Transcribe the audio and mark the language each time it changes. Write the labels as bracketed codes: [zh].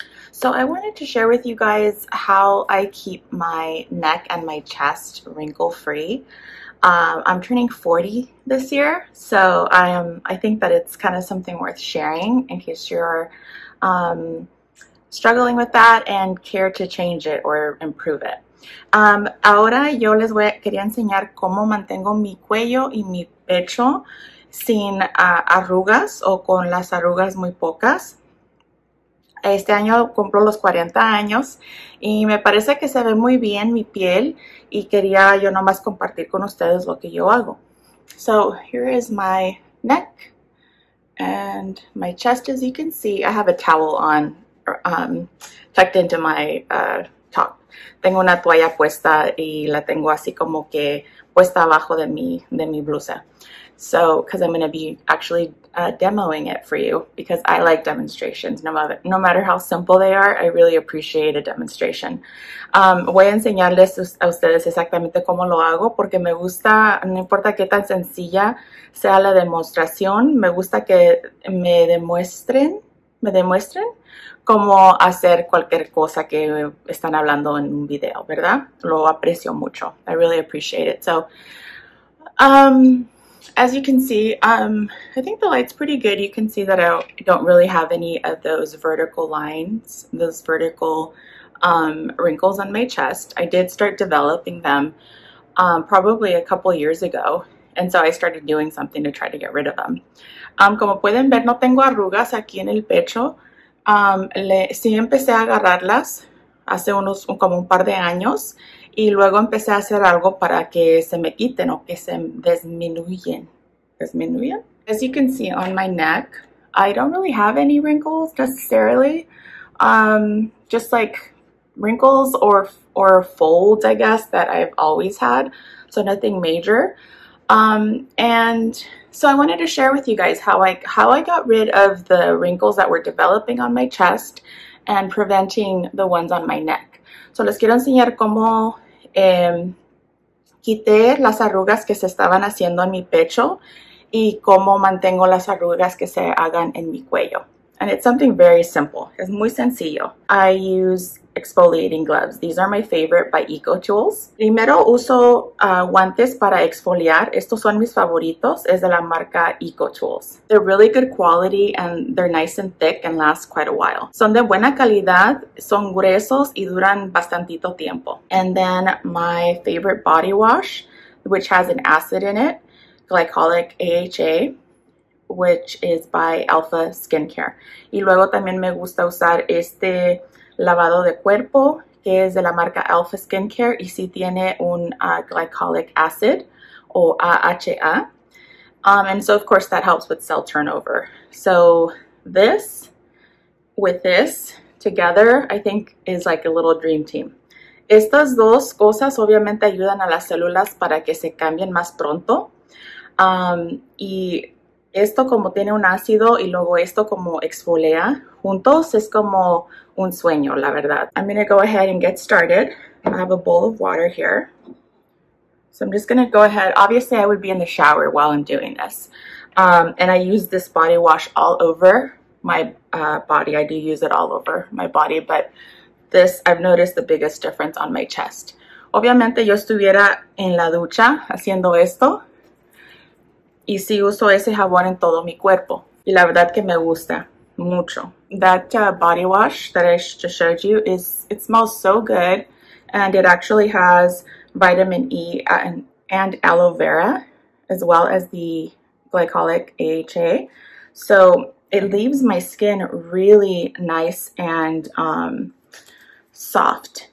[en] So I wanted to share with you guys how I keep my neck and my chest wrinkle-free. I'm turning 40 this year, so I think that it's kind of something worth sharing in case you're struggling with that and care to change it or improve it. [es] Ahora yo les voy a, quería enseñar cómo mantengo mi cuello y mi pecho sin arrugas o con las arrugas muy pocas. Este año cumplo los 40 años y me parece que se ve muy bien mi piel y quería yo nomás compartir con ustedes lo que yo hago. [en] So, here is my neck and my chest. As you can see, I have a towel on, tucked into my top. [es] Tengo una toalla puesta y la tengo así como que puesta abajo de mi blusa. [en] So, because I'm going to be actually demoing it for you because I like demonstrations. No matter how simple they are, I really appreciate a demonstration. [es] Voy a enseñarles a ustedes exactamente cómo lo hago porque me gusta, no importa qué tan sencilla sea la demostración, me gusta que me demuestren cómo hacer cualquier cosa que están hablando en un video, ¿verdad? Lo aprecio mucho. [en] I really appreciate it. So, as you can see, I think the light's pretty good. You can see that I don't really have any of those vertical lines, those vertical wrinkles on my chest. I did start developing them probably a couple years ago. And so I started doing something to try to get rid of them. [es] Como pueden ver, no tengo arrugas aquí en el pecho. Sí empecé a agarrarlas hace como un par de años y luego empecé a hacer algo para que se me quiten o que se disminuyen. ¿Disminuyen? [en] As you can see on my neck, I don't really have any wrinkles necessarily. Just like wrinkles or folds, I guess, that I've always had. So nothing major. And so I wanted to share with you guys how I got rid of the wrinkles that were developing on my chest and preventing the ones on my neck. [es] So les quiero enseñar cómo quité las arrugas que se estaban haciendo en mi pecho y cómo mantengo las arrugas que se hagan en mi cuello. [en] And it's something very simple. [es] Es muy sencillo. [en] I use exfoliating gloves. These are my favorite by EcoTools. [es] Primero uso guantes para exfoliar. Estos son mis favoritos. Es de la marca EcoTools. [en] They're really good quality and they're nice and thick and last quite a while. [es] Son de buena calidad, son gruesos y duran bastantito tiempo. [en] And then my favorite body wash, which has an acid in it, glycolic AHA, which is by Alpha Skincare. [es] Y luego también me gusta usar este lavado de cuerpo, que es de la marca Alpha Skincare y sí tiene un glycolic acid o AHA. [en] And so, of course, that helps with cell turnover. So, this with this together, I think, is like a little dream team. [es] Estas dos cosas obviamente ayudan a las células para que se cambien más pronto. Y esto como tiene un ácido y luego esto como exfolia juntos es como un sueño, la verdad. [en] I'm going to go ahead and get started. I have a bowl of water here. So I'm just going to go ahead. Obviously, I would be in the shower while I'm doing this. And I use this body wash all over my body. I do use it all over my body, but this, I've noticed the biggest difference on my chest. [es] Obviamente, yo estuviera en la ducha haciendo esto. Y sí uso ese jabón en todo mi cuerpo. Y la verdad que me gusta mucho. [en] That body wash that I just showed you, it smells so good. And it actually has vitamin E and aloe vera, as well as the glycolic AHA. So it leaves my skin really nice and soft.